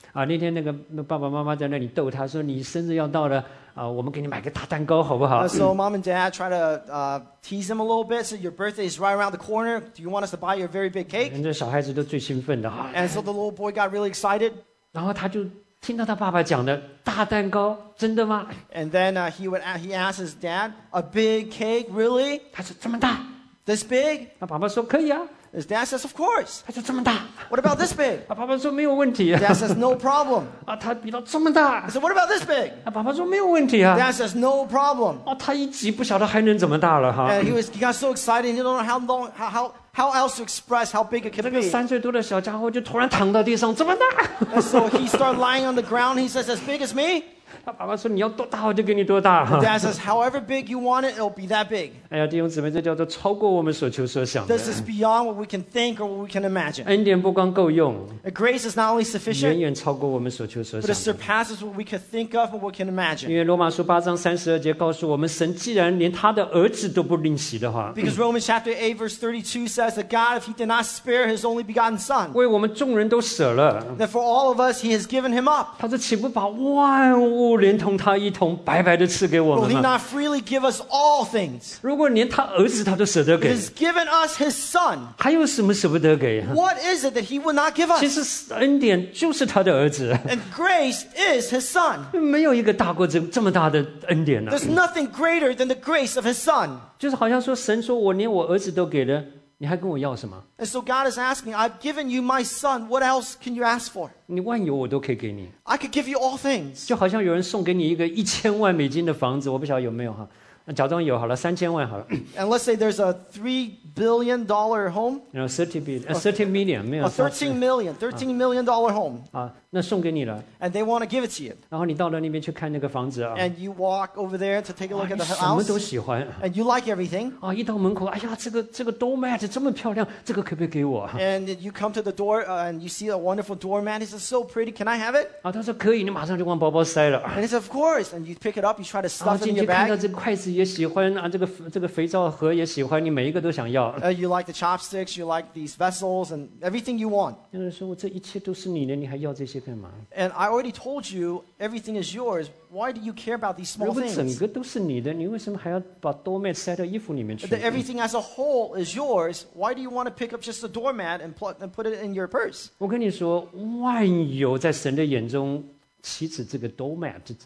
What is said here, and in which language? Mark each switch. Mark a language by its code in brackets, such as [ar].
[zh] 那天那个爸爸妈妈在那里逗他说，你生日要到了，我们给你买个大蛋糕好不好？ [en] So mom and dad try to tease him a little bit. So your birthday is right around the corner. Do you want us to buy your very big cake? [zh] 那小孩子都最兴奋的。 [en] And so the little boy got really excited. [zh] 然后他就听到他爸爸讲的大蛋糕，真的吗？ [en] And then he asked his dad, a big cake, really? [zh] 他说这么大。 [en] This big? [zh] 那爸爸说可以啊。 [en] His dad says, of course. [zh] 他说这么大。 [en] What about this big? [zh] 爸爸说没有问题。 [en] Dad says, no problem. [zh] 他比他这么大。 [en] He said, what about this big? [zh] 爸爸说没有问题啊。 [en] Dad says, no problem. [zh] 他一急不晓得还能怎么大了哈。 [en] And he got so excited, he don't know how else to express how big it could be. [zh] 这个三岁多的小家伙就突然躺到地上，这么大。 [en] And so he started lying on the ground, he says, as big as me? [zh] 爸爸说你要多大我就给你多大。 [en] Dad says, however big you want it, it'll be that big. [zh] 哎呀，弟兄姊妹，这叫做超过我们所求所想的。 [en] This is beyond what we can think or what we can imagine. [zh] 恩典不光够用。 [en] Grace is not only sufficient. [zh] 远远超过我们所求所想的。 [en] But it surpasses what we can think of or what we can imagine. [zh] 因为罗马书八章三十二节告诉我们，神既然连他的儿子都不吝惜的话。 [en] Because Romans chapter 8 verse 32 says that God, if he did not spare his only begotten son. [zh] 为我们众人都舍了。 [en] That for all of us, he has given him up. [zh] 他说岂不把万物连同他一同白白的赐给我们吗？ [en] Will he not freely give us all things? [zh] 如果连他儿子他都舍得给， [en] He has given us his son. [zh] 还有什么舍不得给？ [en] What is it that he would not give us? [zh] 其实恩典就是他的儿子。 [en] And grace is his son. [zh] 没有一个大过这么大的恩典了。 [en] There's nothing greater than the grace of his son. [zh] 就是好像说神说我连我儿子都给了，你还跟我要什么？ [en] And so God is asking, I've given you my son, what else can you ask for? [zh] 你万有我都可以给你。 [en] I could give you all things. [zh] 就好像有人送给你一个一千万美金的房子，我不晓得有没有哈，假装有好了，三千万好了。 [en] And let's say there's a $3 billion home. You know, $13 million, [zh] 没有。 [en] $13 million home. [zh] 那送给你了。 [en] And they want to give it to you. [zh] 然后你到了那边去看那个房子啊。 [en] And you walk over there to take a look at the house. [zh] 你什么都喜欢。 [en] And you like everything. [zh] 一到门口，哎呀，这个 doormat 这么漂亮，这个可不可以给我？ [en] And you come to the door, and you see a wonderful doormat. It's so pretty. Can I have it? [zh] 他说可以，你马上就往包包塞了。 [en] And he said, of course. And you pick it up, you try to stuff it in your bag. [zh] 进去看到这个筷子也喜欢啊，这个肥皂盒也喜欢，你每一个都想要。 [en] You like the chopsticks, you like these vessels, and everything you want. [zh] 有人说我这一切都是你的，你还要这些？ [en] And I already told you everything is yours. Why do you care about these small things? [zh] 如果整个都是你的，你为什么还要把 doormat 塞到衣服里面去？ [en] That everything as a whole is yours. Why do you want to pick up just a doormat and put it in your purse? [zh] 我跟你说，万有在神的眼中，岂止这个 doormat？